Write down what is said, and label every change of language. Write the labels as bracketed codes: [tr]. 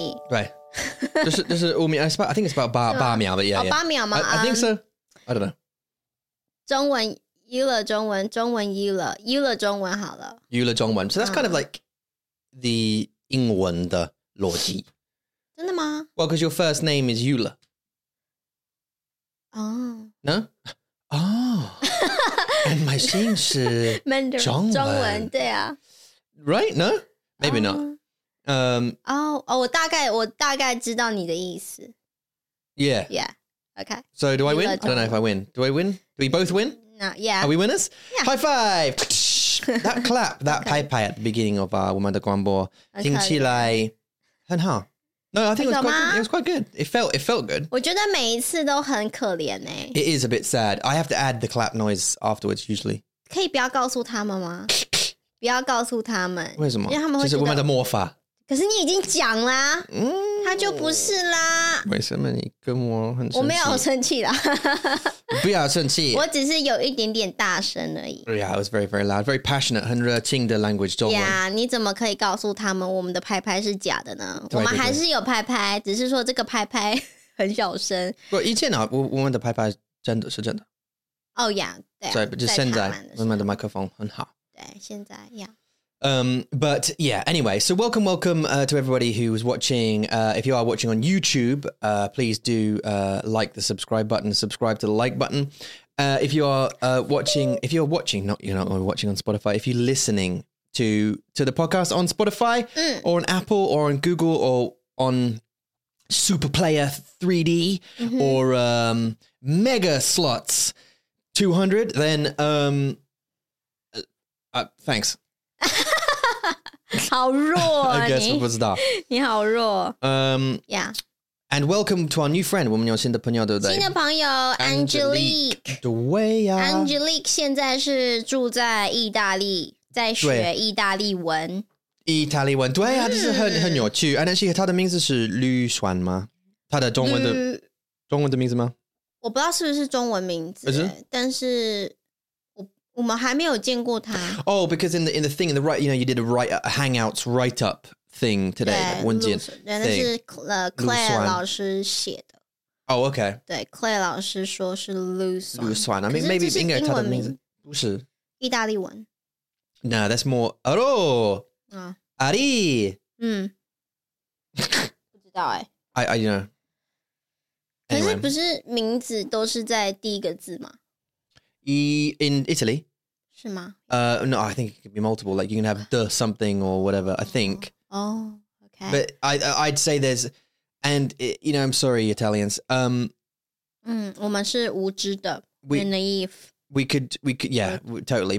[en] Right. This is 5 minutes. I think it's about 8 seconds, but yeah. Oh, 8 seconds? I think so. I don't know. [zh] 中文, 有了中文, 中文有了, 有了中文好了。有了中文。 [en] So that's kind of like the [zh] 英文的逻辑。真的吗? [en] Well, because your first name is Yula. Oh. No? Oh. And my [zh] 姓是 Mandarin, 中文。中文,对啊。 [en] Right? No? Maybe not. [zh] 我大概知道你的意思。 [en] Yeah. Yeah. Okay. So do I win? I don't know if I win. Do I win? Do we both win? No, yeah. Are we winners? Yeah. High five! That clap, that okay. pai pai at the beginning of our [zh] 我们的广播听起来很好。 [en] No, I think it was quite good. It felt good. [zh] 我觉得每一次都很可怜欸。 [en] It is a bit sad. I have to add the clap noise afterwards usually. [zh] 可以不要告诉他们吗?不要告诉他们。为什么? 因为他们会觉得我们的魔法。可是你已经讲啦、他就不是啦。为什么你跟我很生气？我没有生气啦。不要生气。我只是有一点点大声而已。 [en] Yeah, it was very, very loud. Very passionate, [zh] 很热情的 [en] language, 中文。 [zh] Yeah, 你怎么可以告诉他们我们的拍拍是假的呢？对对对我们还是有拍拍，只是说这个拍拍很小声。不，以前啊，我们的拍拍真的是真的。 Oh, yeah, 对、啊。所以就现在我们的麦克风很好。对，现在 yeah. [en] But yeah, anyway, so welcome to everybody who is watching. If you are watching on YouTube, please do like the subscribe button, subscribe to the like button. If you're watching on Spotify, if you're listening to the podcast on Spotify or on Apple or on Google or on Super Player 3D or Mega Slots 200, then thanks. I guess I was that. You're so weak. Yeah. And welcome to our new friend. [zh] 我们有新的朋友，对不对？新的朋友 Angelique. 对呀。 Angelique 现在是住在意大利，在学意大利文。意大利文，对呀，就是很有趣。 [en] And actually, [zh] 她的名字是吕璇吗？她的中文的名字吗？我不知道是不是中文名字，但是。我们还没有见过他。 [en] Oh, because in the thing, in the right, you know, you did a hangouts write-up thing today. [zh] 对, 文件 Claire 老师写的。 [en] Oh, okay. [zh] 对, Claire 老师说是 Lu Suan. [en] I mean, maybe [zh] 应该他的名字。不是。意大利文。 [en] No, that's more, Aro! Ari! [zh] 不知道欸。 [en] I, you know. [zh] 可是不是名字都是在第一个字吗? [en] In Italy? [zh] 是吗? [en] No, I think it could be multiple. Like, you can have the something or whatever, I think. Oh, okay. But I'd say there's... And, it, you know, I'm sorry, Italians. [zh] 我们是无知的, [en] we're naive. We could, yeah, totally.